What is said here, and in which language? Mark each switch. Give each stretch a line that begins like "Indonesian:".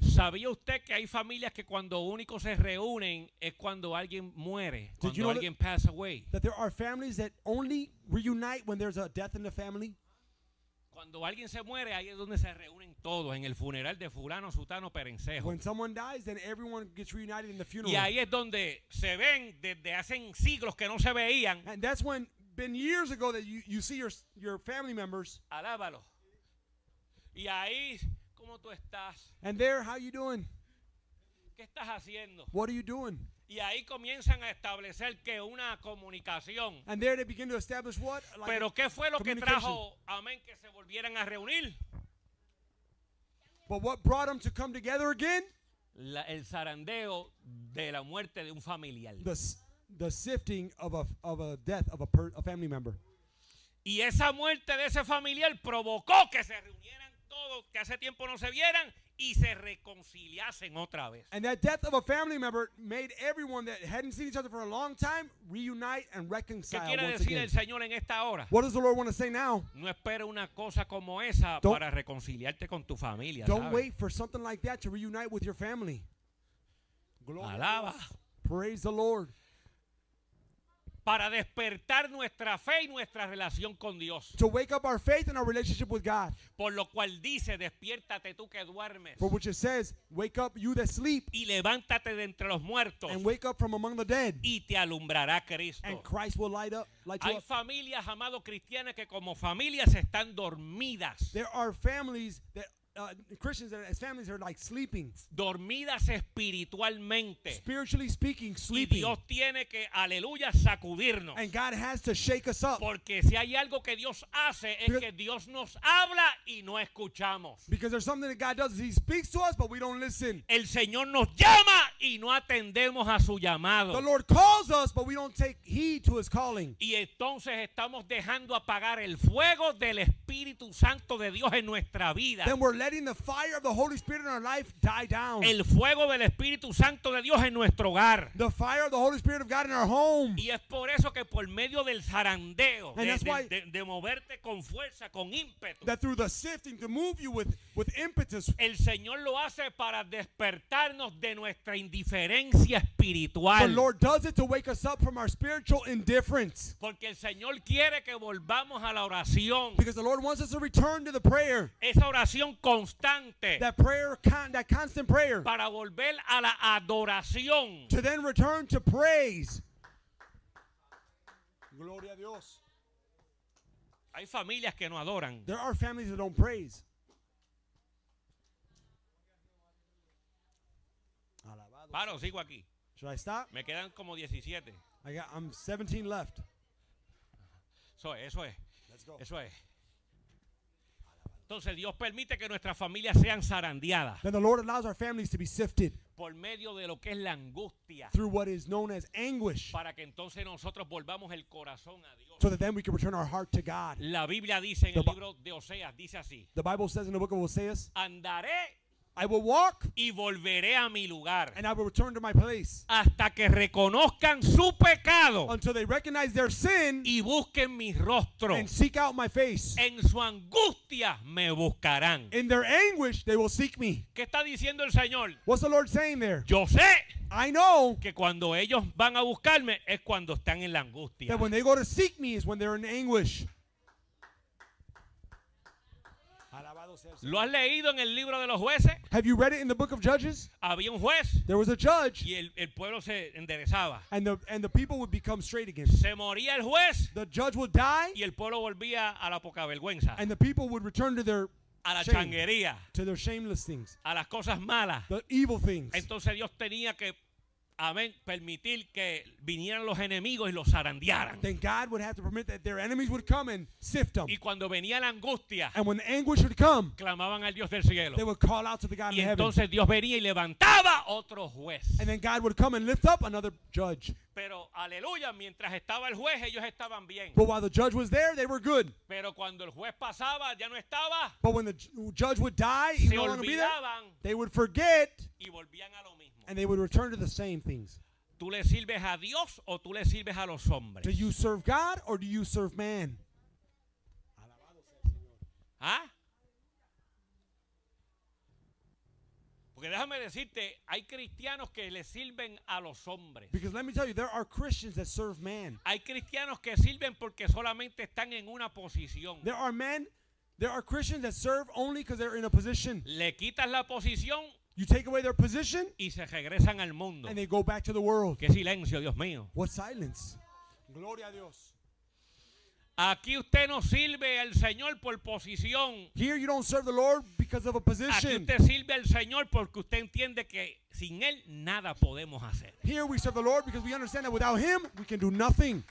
Spanish: ¿Sabía usted que hay familias que cuando únicos se reúnen es cuando alguien muere, cuando alguien
English: pass away? That there are families that only reunite when there's a death in the family.
Spanish: Cuando alguien se muere, ahí es donde se reúnen todos, en el funeral de fulano, sutano, perencejo.
English: When someone dies, then everyone gets reunited in the funeral.
Spanish: Y ahí es donde se ven desde hace siglos que no se veían.
English: And that's when been years ago that you see your family members.
Spanish: Alábalo. Y ahí, ¿cómo tú estás?
English: And there, how you doing?
Spanish: ¿Qué estás haciendo?
English: What are you doing?
Spanish: Y ahí comienzan a establecer que una comunicación.
English: And there they begin to establish what?
Spanish: Like, ¿pero qué fue lo que trajo, amén, que se volvieran a reunir?
English: But what brought them to come together again?
Spanish: El zarandeo de la muerte de un familiar.
English: The sifting of a death of a family member.
Spanish: Y esa muerte de ese familiar provocó que se reunieran todos que hace tiempo no se vieran y se reconciliasen otra vez.
English: And that death of a family member made everyone that hadn't seen each other for a long time reunite and reconcile.
Spanish: ¿Qué quiere decir el Señor en esta hora?
English: What does the Lord want to say now?
Spanish: No espere una cosa como esa para reconciliarte con tu familia.
English: Don't wait for something like that to reunite with your family.
Spanish: Alaba.
English: Praise the Lord.
Spanish: Para despertar nuestra fe y nuestra relación con Dios.
English: To wake up our faith and our relationship with God.
Spanish: Por lo cual dice, despiértate tú que duermes.
English: For which it says, wake up you that sleep.
Spanish: Y levántate de entre los muertos.
English: And wake up from among the dead.
Spanish: Y te alumbrará Cristo.
English: And Christ will light up. Light
Spanish: Hay
English: up.
Spanish: Familias, amados cristianos, que como familias están dormidas.
English: There are families that Christians as families are like sleeping.
Spanish: Dormidas espiritualmente.
English: Spiritually speaking, sleeping.
Spanish: Y Dios tiene que, aleluya, sacudirnos.
English: And God has to shake us up.
Spanish: Porque si hay algo que Dios hace es que Dios nos habla y no escuchamos.
English: Because there's something that God does. He speaks to us, but we don't listen.
Spanish: El Señor nos llama y no atendemos a su llamado.
English: The Lord calls us, but we don't take heed to his calling.
Spanish: Y entonces estamos dejando apagar el fuego del Espíritu Santo de Dios en nuestra vida.
English: Then we're letting the fire of the Holy Spirit in our life die down.
Spanish: El fuego del Espíritu Santo de Dios en nuestro hogar.
English: The fire of the Holy Spirit of God in our home.
Spanish: Y es por eso que por medio del zarandeo, de moverte con fuerza, con ímpetu.
English: That through the sifting to move you with impetus.
Spanish: El Señor lo hace para despertarnos de nuestra indiferencia espiritual.
English: The Lord does it to wake us up from our spiritual indifference.
Spanish: Porque el Señor quiere que volvamos a la oración.
English: Because the Lord wants us to return to the prayer.
Spanish: Esa oración constante.
English: That prayer, that constant prayer.
Spanish: Para volver a la adoración.
English: To then return to praise.
Spanish: Gloria a Dios. Hay familias que no adoran.
English: There are families that don't praise.
Spanish: Paro, sigo aquí.
English: Should I stop?
Spanish: Me quedan como 17.
English: I'm 17 left.
Spanish: Eso es.
English: Let's go.
Spanish: Eso es. Entonces Dios permite que nuestras familias sean zarandeadas.
English: Then the Lord allows our families to be sifted.
Spanish: Por medio de lo que es la angustia.
English: Through what is known as anguish.
Spanish: Para que entonces nosotros volvamos el corazón a Dios.
English: So that then we can return our heart to God.
Spanish: La Biblia dice en el libro de Oseas, dice así.
English: The Bible says in the book of Oseas.
Spanish: Andaré.
English: I will walk.
Spanish: Y volveré a mi lugar.
English: And I will return to my place.
Spanish: Hasta que reconozcan su pecado.
English: Until they recognize their sin.
Spanish: Y busquen mi rostro.
English: And seek out my face.
Spanish: En su angustia me buscarán.
English: In their anguish they will seek me.
Spanish: ¿Qué está diciendo el Señor?
English: What's the Lord saying there?
Spanish: Yo sé.
English: I know.
Spanish: Que cuando ellos van a buscarme es cuando están en la angustia.
English: That when they go to seek me is when they're in anguish.
Spanish: ¿Lo has leído en el libro de los jueces?
English: Have you read it in the book of Judges?
Spanish: Había un juez.
English: There was a judge.
Spanish: Y el pueblo se enderezaba.
English: And the people would become straight again.
Spanish: Se moría el juez.
English: The judge would die.
Spanish: Y el pueblo volvía a la poca vergüenza.
English: And the people would return to their
Spanish: a la changuería.
English: To their shameless things.
Spanish: A las cosas malas.
English: The evil things.
Spanish: Entonces Dios tenía que, amén, permitir que vinieran los enemigos y los zarandearan.
English: Then God would have to permit that their enemies would come and sift them.
Spanish: Y cuando venía la angustia,
English: and when the anguish would come,
Spanish: clamaban al Dios del cielo.
English: They would call out to the God of heaven.
Spanish: Y entonces Dios venía y levantaba otro juez.
English: And then God would come and lift up another judge.
Spanish: Pero aleluya, mientras estaba el juez, ellos estaban bien.
English: But while the judge was there, they were good.
Spanish: Pero cuando el juez pasaba, ya no estaba.
English: But when the judge would die,
Spanish: se olvidaban.
English: They would forget.
Spanish: Y volvían a lo mismo.
English: And they would return to the same things.
Spanish: ¿Tú le sirves a Dios o tú le sirves a los hombres?
English: Do you serve God or do you serve man? ¿Ah?
Spanish: Porque déjame decirte, hay cristianos que le sirven a los hombres.
English: Because let me tell you, there are Christians that serve man.
Spanish: Hay cristianos que sirven porque solamente están en una posición.
English: There are men, there are Christians that serve only because they're in a position.
Spanish: Le quitas la posición.
English: You take away their position,
Spanish: y se regresan al mundo.
English: And they go back to the world.
Spanish: Qué silencio, Dios mío.
English: What silence?
Spanish: Gloria a Dios. Aquí usted no sirve al Señor por posición.
English: Here you don't serve the Lord because of a position.
Spanish: Aquí usted sirve al Señor porque usted entiende que sin él nada podemos hacer.
English: Here we serve the Lord because we understand that without him we can do nothing.